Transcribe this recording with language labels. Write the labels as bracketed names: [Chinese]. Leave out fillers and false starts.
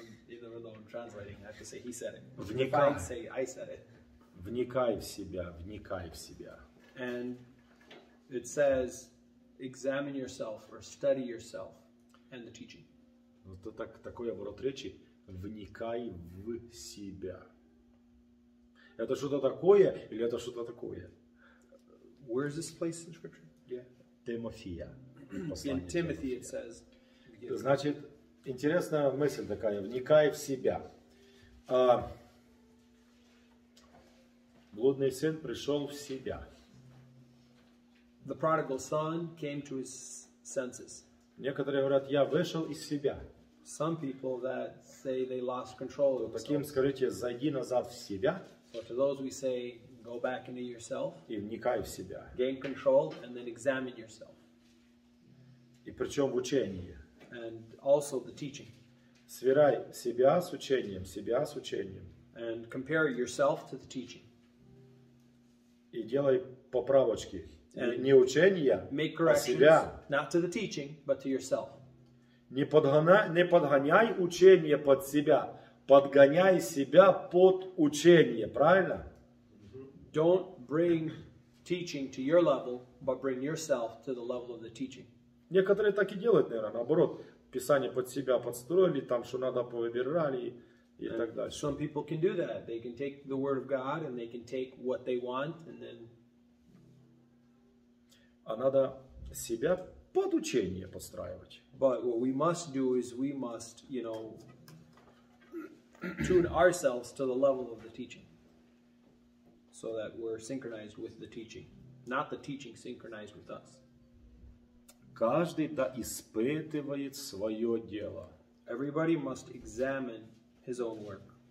[English] Either though I'm translating, I have to say he said it. [Russian] Вникай. [English] If I say I said it. [Russian] Вникай в себя, вникай в себя. [English] And it says, examine yourself or study yourself and the teaching. [Russian] Вот так, такой оборот речи. Вникай в себя. Это что-то такое или это что-то такое? [English] Where is this place in scripture? [Russian] Yeah. Тимофея. [English] In Timothy it says. [Russian] Значит, интересная мысль такая. Вникай в себя. Блудный сын пришел в себя. [English] The prodigal son came to his senses. [Russian] Некоторые говорят, я вышел из себя. [English] Some people that say they lost control. [Russian] То таким скажите, зайди назад в себя. [English] So to those we say, go back into yourself. [Russian] И вникай в себя. [English] Gain control and then examine yourself. [Russian] И причем в учении. [English] And also the teaching. [Russian] Сверяй себя с учением, себя с учением. [English] And compare yourself to the teaching. [Russian] И делай поправочки. And не учения, [English] make corrections, [Russian] а себя. [English] Not to the teaching, but to yourself. [Russian] Не подгоняй учение под себя. Подгоняй себя под учение. Правильно? [English] Don't bring teaching to your level, but bring yourself to the level of the teaching. [Russian] Некоторые так и делают, наверное, наоборот. Писание под себя подстроили, там что надо повыбирали и так далее. [English] Some people can do that. They can take the word of God and they can take what they want and then... [Russian] А надо себя под учение подстраивать. [English] But what we must do is we must, you know, tune ourselves to the level of the teaching. So that we're synchronized with the teaching. Not the teaching synchronized with us. [Russian] Каждый да испытывает свое дело. [English] Everybody must examine his own work.